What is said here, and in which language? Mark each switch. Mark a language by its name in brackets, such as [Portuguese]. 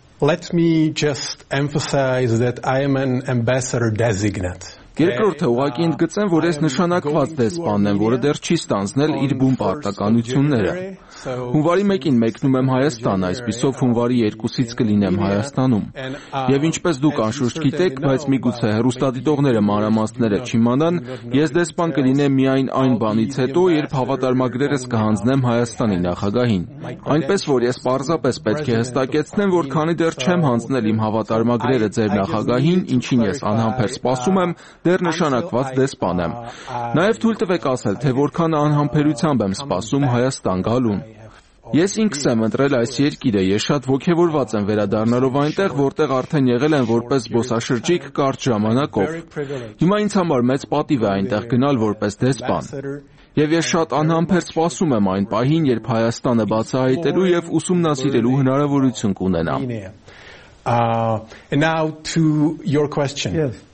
[English] Let me just emphasize that I am an ambassador designate. [Armenian] Երկրորդը, ուղղակի ընդգծեմ, որ ես նշանակված դեսպանն եմ, որը դեռ չի ստանձնել իր բուն պարտականությունները։ Հունվարի 1-ին մեկնում եմ Հայաստան, այսպիսով հունվարի 2-ից կլինեմ Հայաստանում։ Եվ ինչպես դուք անշուշտ գիտեք, բայց միգուցե հեռուստադիտողները, մանրամասները չիմանան, ես դեսպան կլինեմ միայն այն բանից հետո, երբ հավատարմագրերս կհանձնեմ Հայաստանի նախագահին։ Այնպես որ ես պարզապես պետք է հստակեցնեմ, որ քանի դեռ չեմ հանձնել իմ հավատարմագրերը ձեր նախագահին, ինչին ես անհամբեր սպասում եմ, դեռ նշանակված դեսպան եմ։ Նաև թույլ տվեք ասել, թե որքան անհամբերությամբ եմ սպասում Հայաստան գալուն։ Ես ինքս եմ ընտրել այս երկիրը, ես շատ ոգևորված եմ վերադառնալով այնտեղ, որտեղ արդեն եղել եմ որպես զբոսաշրջիկ կարճ ժամանակով։ Հիմա ինձ համար մեծ պատիվ է այնտեղ գնալ որպես դեսպան։ Եվ ես շատ անհամբեր սպասում եմ այն պահին, երբ Հայաստանը բացահայտելու եւ ուսումնասիրելու հնարավորություն կունենա։ [English] And now to your question.